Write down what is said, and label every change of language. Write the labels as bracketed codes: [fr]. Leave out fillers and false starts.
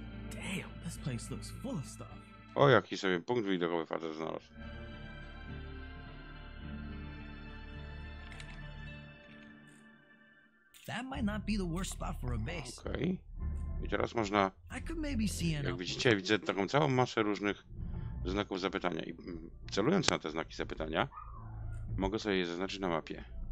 [en] Damn, this place looks full of stuff. [pl] O, jaki sobie punkt widokowy facet znalazł. [en] That might not be the worst spot for a base. [pl] Okay. I teraz można. [en] I could maybe see an. [pl] Jak widzicie, widzę taką całą masę różnych znaków zapytania. I celując na te znaki zapytania, mogę sobie je zaznaczyć na mapie.